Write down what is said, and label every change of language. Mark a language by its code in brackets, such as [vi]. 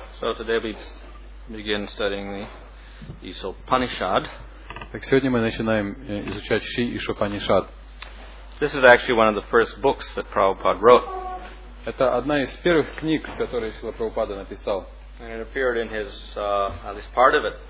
[en] So today we begin studying the Isha Upanishad. [ru] Так сегодня мы начинаем изучать Ши Иша Панишад. [en] This is actually one of the first books that Prabhupada wrote. [ru] Это одна из первых книг, которые Шрила Прабхупада написал. [en] And it appeared in his at least part of it.